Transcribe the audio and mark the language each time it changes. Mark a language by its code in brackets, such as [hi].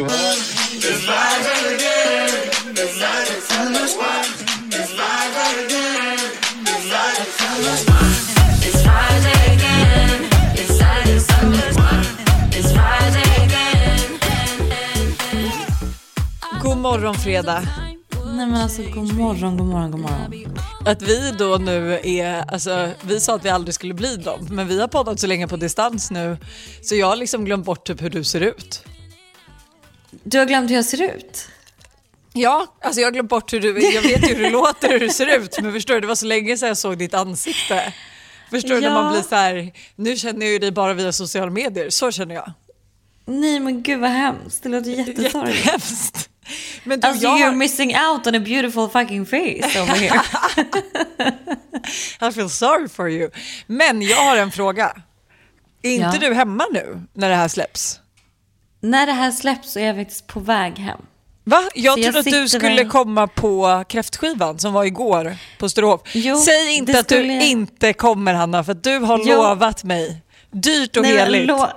[en] It's live again, it's live again, it's live again. [sv] God morgon, Freda. Nej, men alltså, god morgon, god morgon, god morgon. Att vi då nu är, alltså, vi sa att vi aldrig skulle bli dem, men vi har poddat så länge på distans nu, så jag har liksom glömt bort typ hur du ser ut. Du har glömt hur jag ser ut? Ja, alltså jag har glömt bort hur du, jag vet ju hur du låter, hur du ser ut, men förstår du, det var så länge sedan jag såg ditt ansikte. Förstår du, när man blir så här, nu känner jag ju dig bara via sociala medier, så känner jag. Nej, men gud vad hemskt, det låter jättesorgligt. Jättehemskt. Men du, alltså, jag... [en] you're missing out on a beautiful fucking face over here. I feel sorry for you. [sv] Men jag har en fråga. Är inte du hemma nu när det här släpps? När det här släpps så är jag faktiskt på väg hem. Va? Jag trodde att du skulle komma på kräftskivan som var igår på Storhov. Säg inte att du inte kommer, Hanna, för du har lovat mig dyrt och heligt.